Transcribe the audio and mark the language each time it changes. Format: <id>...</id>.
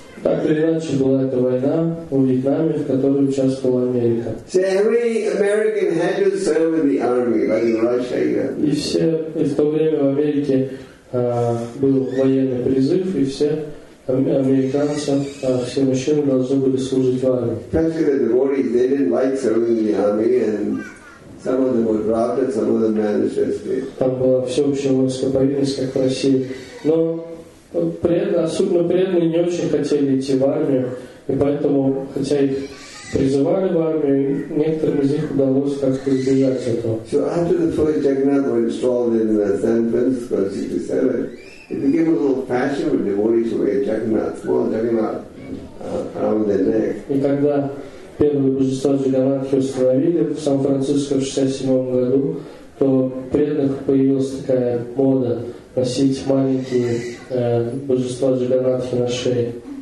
<ru>Так или иначе была эта война в Вьетнаме, в которой участвовала Америка.</ru> <en>See, every American had to serve in the army, like in Russia.</en> <ru>И все, и в то время в Америке был военный призыв, и все американцы, все мужчины должны были служить в армии.</ru> <en>Especially the devotees, they didn't like serving in the army, and some of them were drafted, some of them managed to.</en> <ru>Там была всеобщая воинская повинность, как в России. Но особенно преданные не очень хотели идти в армию, и поэтому, хотя их призывали в армию, некоторым из них удалось как-то избежать этого.</ru> <en>So after the first Jagannath was installed in San Francisco in 67, it became a little fashion with devotees to wear Jagannath, small Jagannath around their neck.</en> <ru>И когда первые божества Джаганатхи установили в Сан-Франциско в 67 году, то преданных появилась такая мода носить маленькие божества Джаганатхи на шее.</ru>